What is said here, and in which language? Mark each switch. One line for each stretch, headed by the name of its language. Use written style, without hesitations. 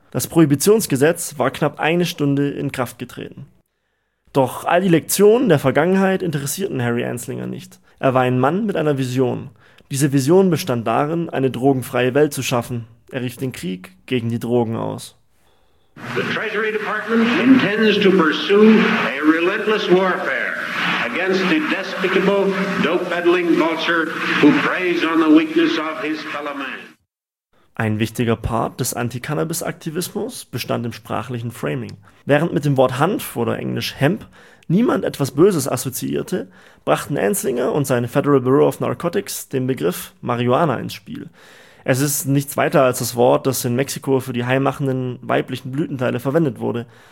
German: Das Prohibitionsgesetz war knapp eine Stunde in Kraft getreten. Doch all die Lektionen der Vergangenheit interessierten Harry Anslinger nicht. Er war ein Mann mit einer Vision. Diese Vision bestand darin, eine drogenfreie Welt zu schaffen. Er rief den Krieg gegen die Drogen aus.
English: The Treasury Department intends to pursue a relentless warfare against the despicable dope-peddling vulture who preys on the weakness of his fellow man.
German: Ein wichtiger Part des Anti-Cannabis-Aktivismus bestand im sprachlichen Framing. Während mit dem Wort Hanf oder Englisch Hemp niemand etwas Böses assoziierte, brachten Anslinger und seine Federal Bureau of Narcotics den Begriff Marihuana ins Spiel. Es ist nichts weiter als das Wort, das in Mexiko für die heimmachenden weiblichen Blütenteile verwendet wurde.